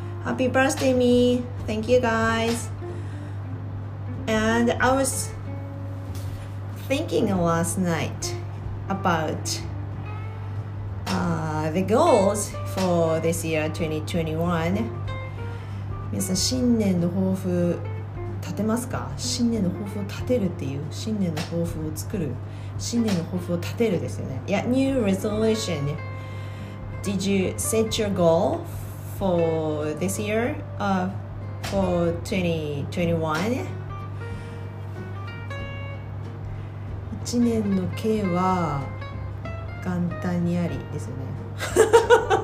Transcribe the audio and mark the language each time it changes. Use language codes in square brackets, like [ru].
[en] Happy birthday, me. Thank you, guys. And I was thinking last night about the goals for this year, 2021. [ja] 皆さん、新年の抱負立てますか？新年の抱負を立てるっていう、新年の抱負を作る、新年の抱負を立てるですよね。 [en] Yeah, new resolution. Did you set your goal for this year, for 2021? [ja] 1年の計は簡単にありですよね。